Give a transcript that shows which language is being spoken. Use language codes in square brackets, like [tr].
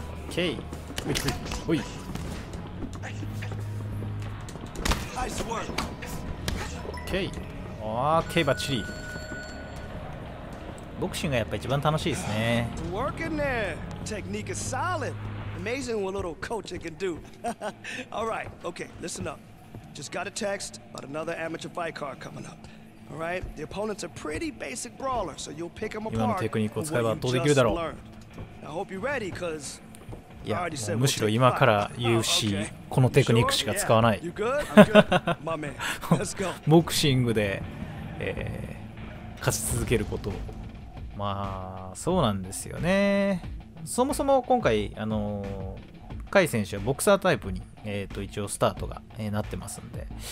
[ja] OK、 ウィッツイッツ、ほい。 OK、 OK、 バッチリ。ボクシングがやっぱ一番楽しいですね。 [en] Working there. Technique is solid. Amazing what a little coaching can do. Alright, OK, listen up. Just got a text about another amateur fight card coming up. All right. The opponent's a pretty basic brawler, so you'll pick him apart. [ja] 今のテクニックを使えば圧倒できるだろう。 [en] I hope you're ready, cause I already said. [ja] むしろ今から言うし、このテクニックしか使わない。 [en] You good? I'm good. My man. Let's go. [ja] ボクシングで、勝ち続けること、まあそうなんですよね。そもそも今回カイ選手はボクサータイプに一応スタートが、なってますんで。